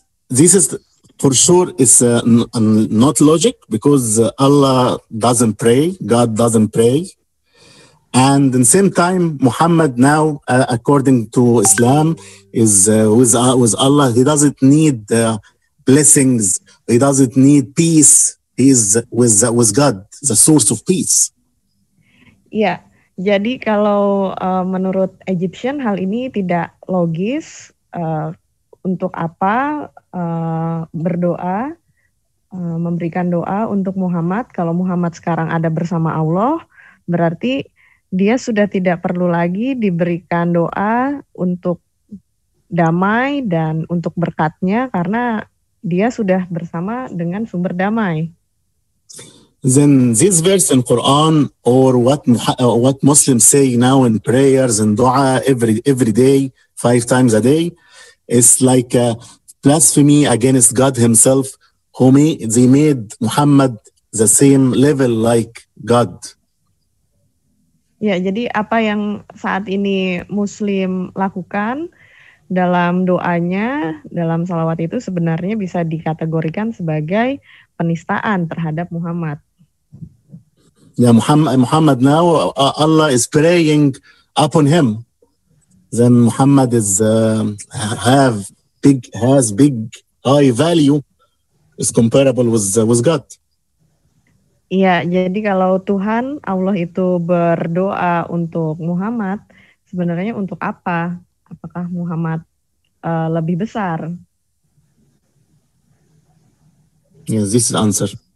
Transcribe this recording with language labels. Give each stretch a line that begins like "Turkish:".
English: This is for sure is not logic, because Allah doesn't pray, God doesn't pray, and in same time Muhammad now according to Islam is with Allah. He doesn't need blessings, he doesn't need peace, he is with God, the source of peace. Yeah.
Indonesian: Jadi kalau menurut Egyptian hal ini tidak logis, untuk apa berdoa, memberikan doa untuk Muhammad, kalau Muhammad sekarang ada bersama Allah, berarti dia sudah tidak perlu lagi diberikan doa untuk damai dan untuk berkatnya, karena dia sudah bersama dengan sumber damai.
English: Then this verse in Quran or what Muslims say now in prayers and dua every day, 5 times a day, it's like a blasphemy against God himself, who made Muhammad the same level like God.
Indonesian: Ya, jadi apa yang saat ini Muslim lakukan dalam doanya, dalam salawat itu sebenarnya bisa dikategorikan sebagai penistaan terhadap Muhammad.
English: Ya, Muhammad now, Allah is praying upon him. Then Muhammad is has big high value, is comparable with God.
Indonesian: Iya, jadi kalau Tuhan Allah itu berdoa untuk Muhammad, sebenarnya untuk apa? Apakah Muhammad lebih besar?
English: Yes, this is the answer.